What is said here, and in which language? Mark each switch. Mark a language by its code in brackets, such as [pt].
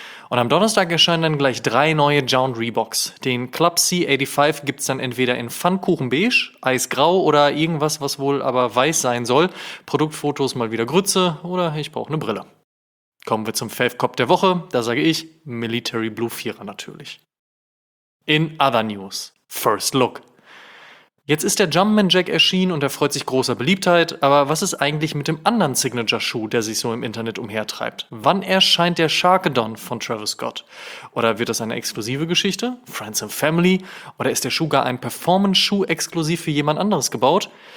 [de] Und am Donnerstag erscheinen dann gleich 3 neue Jound Reeboks. Den Club C85 gibt's dann entweder in Pfannkuchenbeige, Eisgrau oder irgendwas, was wohl aber weiß sein soll. Produktfotos mal wieder Grütze oder ich brauche eine Brille. Kommen wir zum Fave-Cop der Woche, da sage ich Military Blue 4er natürlich. [en] In other news, first look. [de] Jetzt ist der Jumpman Jack erschienen und er freut sich großer Beliebtheit, aber was ist eigentlich mit dem anderen Signature-Schuh, der sich so im Internet umhertreibt? Wann erscheint der Sharkadon von Travis Scott? Oder wird das eine exklusive Geschichte? Friends and Family? Oder ist der Schuh gar ein Performance-Schuh exklusiv für jemand anderes gebaut?